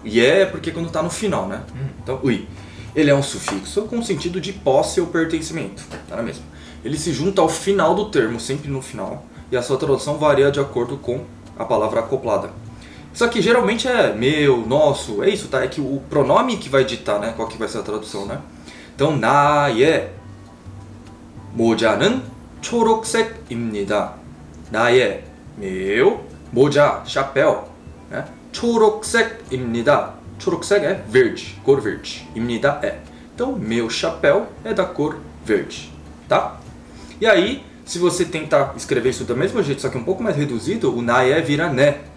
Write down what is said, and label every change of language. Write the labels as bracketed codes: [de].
[pt] E é porque quando tá no final, né? Então, ui. Ele é um sufixo com sentido de posse ou pertencimento, tá na mesma. Ele se junta ao final do termo, sempre no final, e a sua tradução varia de acordo com a palavra acoplada. Só que geralmente é meu, nosso, é isso, tá? É que o pronome que vai ditar, né? Qual que vai ser a tradução, né? [ko] Então, 나의 모자는 초록색입니다. [pt] 나의, meu, 모자, chapéu, né? [ko] 초록색입니다. [pt] 초록색 é verde, cor verde. 입니다 é. Então, meu chapéu é da cor verde, tá? E aí, se você tentar escrever isso do mesmo jeito, só que um pouco mais reduzido, o nae vira né.